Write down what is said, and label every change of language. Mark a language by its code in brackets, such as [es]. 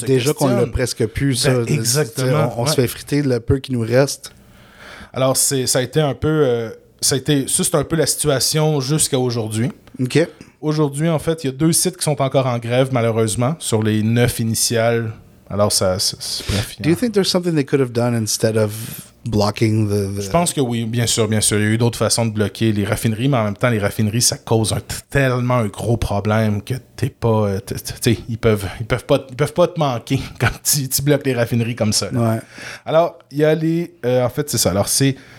[fr] se déjà questionne. Déjà qu'on l'a presque plus, ça. Ben, exactement. On se fait friter le peu qui nous reste. Alors, c'est un peu la situation jusqu'à aujourd'hui. OK. Aujourd'hui, en fait, il y a deux sites qui sont encore en grève, malheureusement, sur les 9 initiales. Alors, ça, c'est pas fini. [en] Do you think there's something they could have done instead of blocking the... [fr] Je pense que oui, bien sûr. Il y a eu d'autres façons de bloquer les raffineries, mais en même temps, les raffineries, ça cause tellement un gros problème que t'es pas... Ils peuvent pas te manquer quand tu bloques les raffineries comme ça. Là. Ouais. Alors, il y a les... en fait, c'est ça. Alors, c'est...